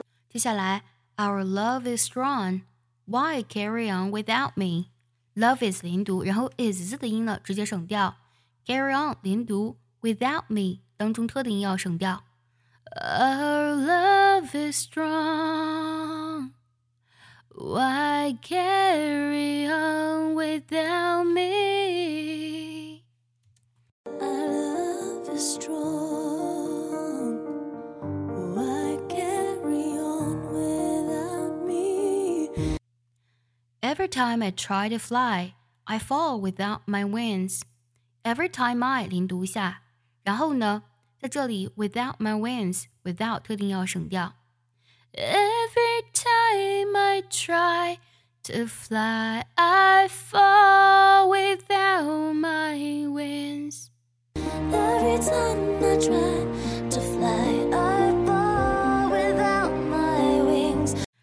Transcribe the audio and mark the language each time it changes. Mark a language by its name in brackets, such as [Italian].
[Chinese] 接下来 [English] Our love is strong. Why carry on without me? Love is [Chinese] 连读，然后 is 字的音呢直接省掉。 [English] Carry on [Chinese] 连读 [English] without me [Chinese] 当中特定音要省掉。 [English] Our love is strong. Why carry on without me? Our love is strong. Why carry on without me? Every time I try to fly, I fall without my wings. Every time I [Chinese] 零读一下，然后呢？在这里 [English] without my wings, without [Chinese] 特定要省掉。 [English] Every time I try to fly, I fall without my wings. Every time I try to fly, I fall without my wings.